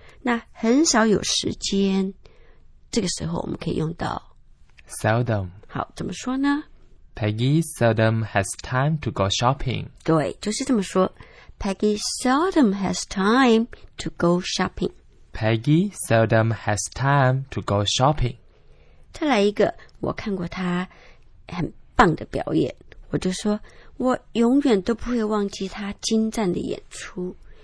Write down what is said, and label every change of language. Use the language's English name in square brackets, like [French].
[Chinese] 那很少有时间，这个时候我们可以用到 [English] seldom。 [Chinese] 好，怎么说呢 [English] ？Peggy seldom has time to go shopping。 [Chinese] 对，就是这么说 [English] ，Peggy seldom has time to go shopping。 Peggy seldom has time to go shopping。 [Chinese] 再来一个，我看过他很。棒的表演，我就说，我永远都不会忘记他精湛的演出。